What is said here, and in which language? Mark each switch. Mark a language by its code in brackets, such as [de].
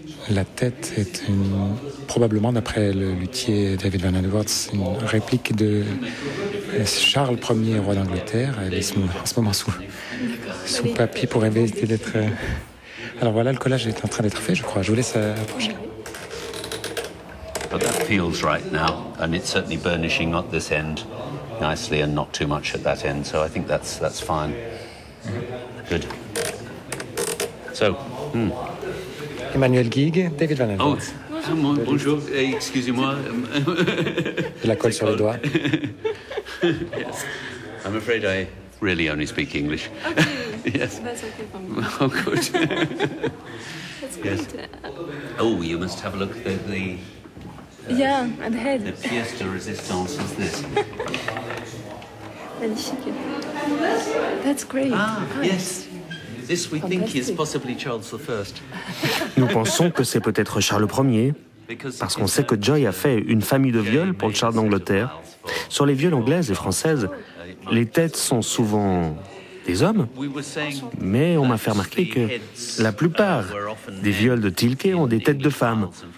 [fr] La tête est probablement, d'après le luthier David Van Antwerp, une réplique de Charles Ier, roi d'Angleterre. Elle est en ce moment sous papier pour éviter d'être... Alors voilà, le collage est en train d'être fait, je crois. Je vous laisse approcher. [en] But that feels right now, and it's certainly burnishing at this end nicely, and not too much at that end. So I think that's fine. Good. So. Emmanuel Guigues, David Van Antwerp. [fr] Bonjour. Excusez-moi. De la colle sur les doigts. [en] Yes. I'm afraid I really only speak English. Okay. Yes. That's okay for me. Oh, good. That's great. Yes. Oh, you must have a look at the yeah, and head. The pièce de résistance is this. Magnifique. That's great. Ah, nice. Yes. This we think is possibly Charles I. [fr] Nous pensons que c'est peut-être Charles Ier, parce qu'on sait que Joy a fait une famille de viols pour Charles d'Angleterre. Sur les viols anglaises et françaises, les têtes sont souvent des hommes, mais on m'a fait remarquer que la plupart des viols de Tilquet ont des têtes de femmes.